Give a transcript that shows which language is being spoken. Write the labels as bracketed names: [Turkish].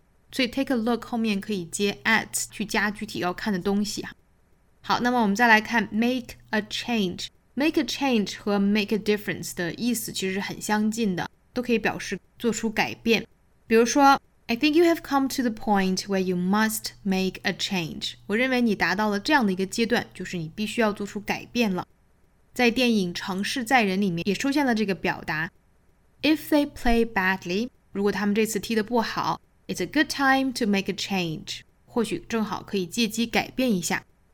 [Chinese] 所以 take a look 后面可以接 at 去加具体要看的东西。好，那么我们再来看 [English] make a change. Make a change [Chinese] 和 [English] make a difference [Chinese] 的意思其实很相近的，都可以表示做出改变。 [English] 比如说 I think you have come to the point where you must make a change. [Chinese] 我认为你达到了这样的一个阶段，就是你必须要做出改变了。在电影《常识在人》里面也出现了这个表达。 [English] If they play badly, [Chinese] 如果他们这次踢得不好 [English] it's a good time to make a change. [Chinese] 或许正好可以借机改变一下。